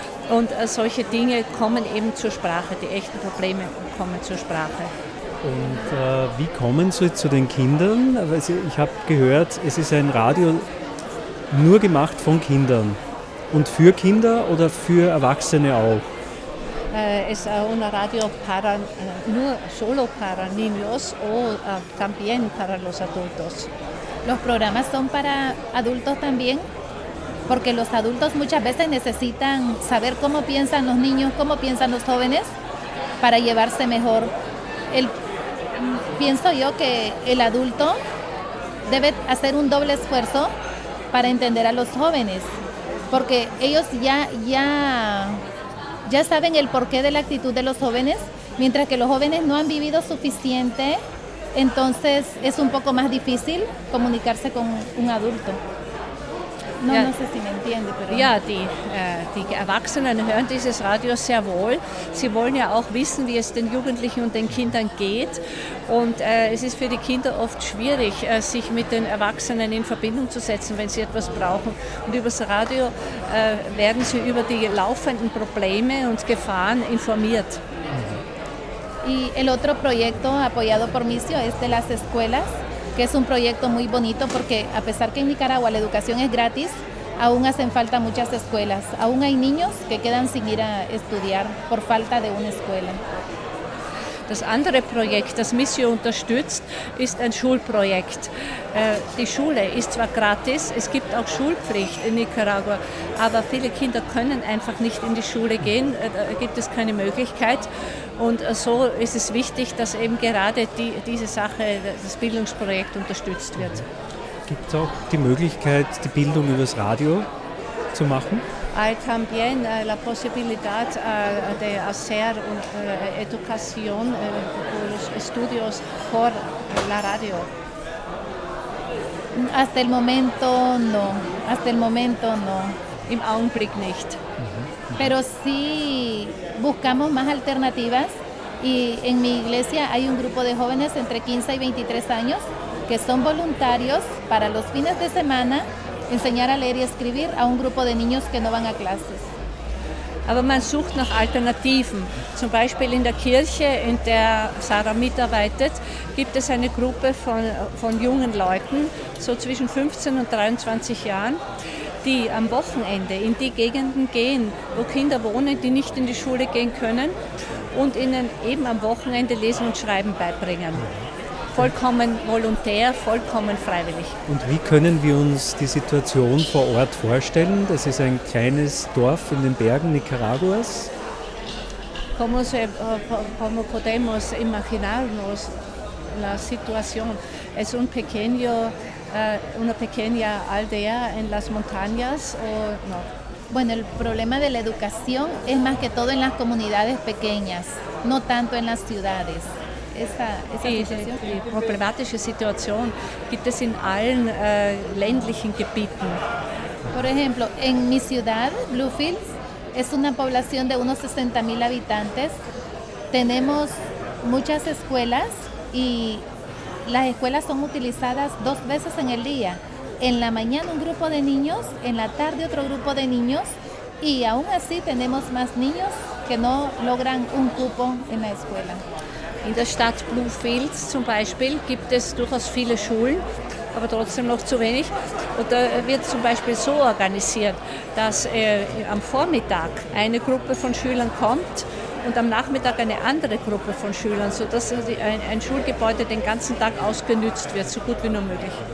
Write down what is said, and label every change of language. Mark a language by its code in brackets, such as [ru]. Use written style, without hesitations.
[de] Und solche Dinge kommen eben zur Sprache, die echten Probleme kommen zur Sprache. Und wie kommen Sie zu den Kindern? Also ich habe gehört, es ist ein Radio nur gemacht von Kindern. Und für Kinder oder für Erwachsene auch? Es ist ein Radio [es] para, nur solo para niños o también para los adultos. Los programas son para adultos también, porque los adultos muchas veces necesitan saber cómo piensan los niños, cómo piensan los jóvenes para llevarse mejor. Pienso yo que el adulto debe hacer un doble esfuerzo para entender a los jóvenes, porque ellos ya saben el porqué de la actitud de los jóvenes, mientras que los jóvenes no han vivido suficiente, entonces es un poco más difícil comunicarse con un adulto. No, ja, no sé si me entiende, pero... [de] Ja, die Erwachsenen hören dieses Radio sehr wohl. Sie wollen ja auch wissen, wie es den Jugendlichen und den Kindern geht. Und es ist für die Kinder oft schwierig, sich mit den Erwachsenen in Verbindung zu setzen, wenn sie etwas brauchen. Und übers Radio werden sie über die laufenden Probleme und Gefahren informiert. [es] Y el otro proyecto apoyado por Micio es de las escuelas, que es un proyecto muy bonito porque a pesar que en Nicaragua la educación es gratis, aún hacen falta muchas escuelas. Aún hay niños que quedan sin ir a estudiar por falta de una escuela. [de] Das andere Projekt, das Missio unterstützt, ist ein Schulprojekt. Die Schule ist zwar gratis, es gibt auch Schulpflicht in Nicaragua, aber viele Kinder können einfach nicht in die Schule gehen, da gibt es keine Möglichkeit. Und so ist es wichtig, dass eben gerade diese Sache, das Bildungsprojekt unterstützt wird. Gibt es auch die Möglichkeit, die Bildung übers Radio zu machen? [es] Hay también la posibilidad de hacer educación por los estudios por la radio. Hasta el momento no, hasta el momento no. [de] Im Augenblick nicht. [es] Pero sí buscamos más alternativas y en mi iglesia hay un grupo de jóvenes entre 15 y 23 años que son voluntarios para los fines de semana enseñar a leer y escribir a un grupo de niños que no van a clases. [de] Aber man sucht nach Alternativen. Zum Beispiel in der Kirche, in der Sarah mitarbeitet, gibt es eine Gruppe von jungen Leuten, so zwischen 15 und 23 Jahren, die am Wochenende in die Gegenden gehen, wo Kinder wohnen, die nicht in die Schule gehen können, und ihnen eben am Wochenende Lesen und Schreiben beibringen. Vollkommen volontär, vollkommen freiwillig. Und wie können wir uns die Situation vor Ort vorstellen? Das ist ein kleines Dorf in den Bergen Nicaraguas. [es] Como podemos imaginarnos la situación? Es un pequeño, una pequeña aldea en las montañas o no? Bueno, el problema de la educación es más que todo en las comunidades pequeñas, no tanto en las ciudades. [de] Die problematische Situation gibt es in allen ländlichen Gebieten. [es] Por ejemplo, en mi ciudad, Bluefields, es una población de unos 60.000 habitantes. Tenemos muchas escuelas y las escuelas son utilizadas dos veces en el día. En la mañana un grupo de niños, en la tarde otro grupo de niños, y aún así tenemos más niños que no logran un cupo en la escuela. [de] In der Stadt Bluefields zum Beispiel gibt es durchaus viele Schulen, aber trotzdem noch zu wenig. Und da wird zum Beispiel so organisiert, dass am Vormittag eine Gruppe von Schülern kommt und am Nachmittag eine andere Gruppe von Schülern, sodass ein Schulgebäude den ganzen Tag ausgenutzt wird, so gut wie nur möglich.